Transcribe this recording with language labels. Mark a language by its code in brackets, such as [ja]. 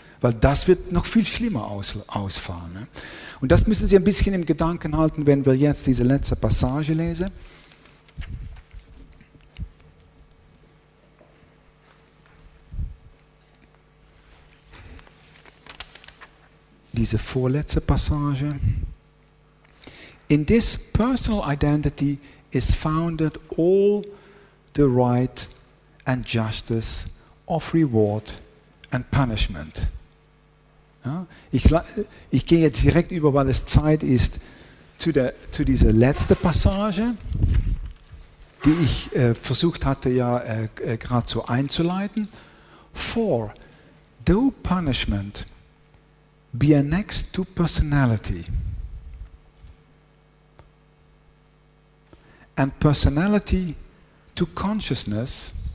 [de] Weil das wird noch viel schlimmer ausfallen. Ne. Und das müssen Sie ein bisschen im Gedanken halten, wenn wir jetzt diese letzte Passage lesen. Diese vorletzte Passage. [en] In this personal identity is founded all the right and justice of reward and punishment. [de] Ja, ich gehe jetzt direkt über, weil es Zeit ist, zu dieser letzten Passage, die ich versucht hatte, ja gerade so einzuleiten. [en] For though punishment be annexed to personality, and personality to consciousness,